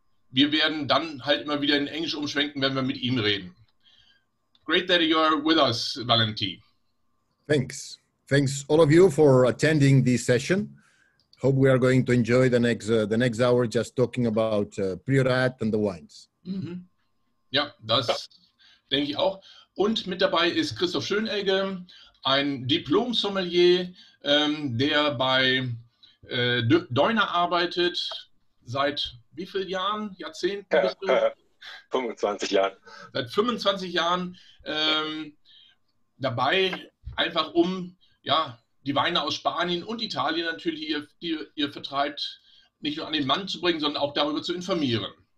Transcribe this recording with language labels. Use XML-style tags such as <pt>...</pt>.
<de>Wir werden dann halt immer wieder in Englisch umschwenken, wenn wir mit ihm reden.</de> <en>Great that you are with us, Valentin. Thanks. Thanks all of you for attending this session. Hope we are going to enjoy the next hour just talking about Priorat and the wines.</en> <de>Mm-hmm. Ja, das denke ich auch. Und mit dabei ist Christoph Schönegge, ein Diplom-Sommelier, der bei Deuner arbeitet seit wie vielen Jahren? Jahrzehnten? Ja, 25 Jahren. Seit 25 Jahren dabei, einfach um die Weine aus Spanien und Italien natürlich, die ihr vertreibt, nicht nur an den Mann zu bringen, sondern auch darüber zu informieren.</de>